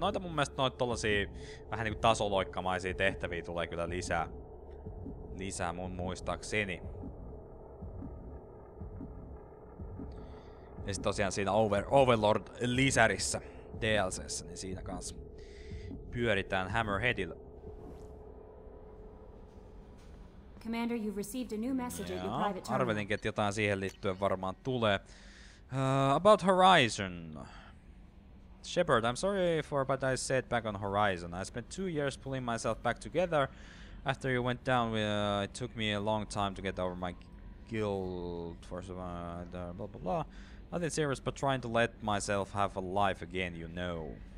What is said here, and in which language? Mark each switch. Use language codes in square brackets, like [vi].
[fi] Noita mun mielestä noita tollasii vähän niinku tasoloikkamaisia tehtäviä tulee kyllä lisää. Lisää mun muistaakseni. Ja sit tosiaan siinä Overlord lisärissä DLC:ssä, niin siinä kanssa pyöritään Hammerheadillä. [en] Commander, you've received a new message at your private terminal. [fi] Arvelinkin, että jotain siihen liittyen varmaan tulee. [en] About Horizon. Shepard, I'm sorry for what I said back on Horizon. I spent 2 years pulling myself back together. After you went down, it took me a long time to get over my guilt for some blah blah blah. Nothing serious, but trying to let myself have a life again, you know.